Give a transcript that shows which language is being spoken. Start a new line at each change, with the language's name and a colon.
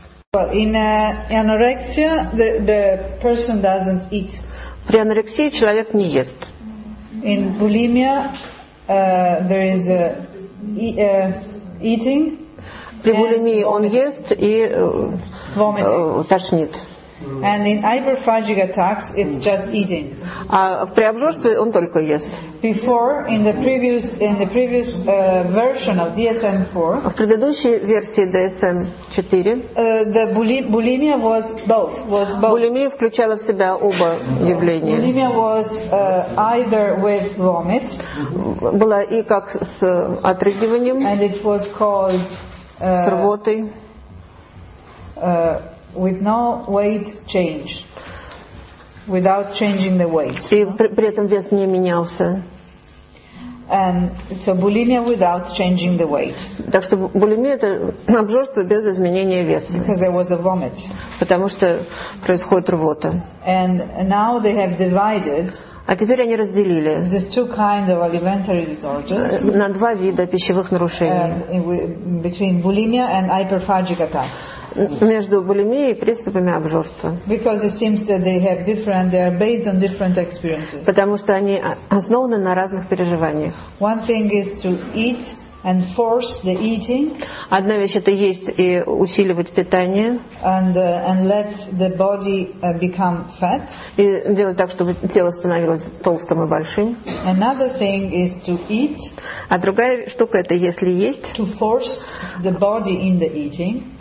Russian: При анорексии человек не ест.
English: In bulimia there is a eating.
Russian: При булимии он ест и тошнит.
English: And in hyperphagic attacks it's just eating.
Russian: А в преобжорстве он только ест.
English: Before in the previous version of DSM-4.
Russian: В предыдущей версии DSM-4.
English: The bulimia was both.
Russian: Булимия включала в себя оба явления.
English: Bulimia was either with vomit.
Russian: Была и как с отрыгиванием.
English: And it was called
Russian: с рвотой.
English: With no weight change, without changing the weight.
Russian: И при этом вес не менялся.
English: And so bulimia without changing the weight.
Russian: Так что булимия — это обжорство без изменения веса.
English: Because there was a vomit.
Russian: Потому что происходит рвота.
English: And now they have divided.
Russian: А теперь они разделили.
English: These two kinds of alimentary disorders.
Russian: На два вида пищевых нарушений.
English: Between bulimia and hyperphagic attacks.
Russian: Между булимией и приступами обжорства.
English: Because it seems that they have different, they are based on different experiences.
Russian: Потому что они основаны на разных переживаниях.
English: One thing is to eat and force the eating.
Russian: Одна вещь — это есть и усиливать питание.
English: And let the body become fat.
Russian: И делать так, чтобы тело становилось толстым и большим.
English: Another thing is to eat.
Russian: А другая штука — это если есть.
English: To force the body in the eating.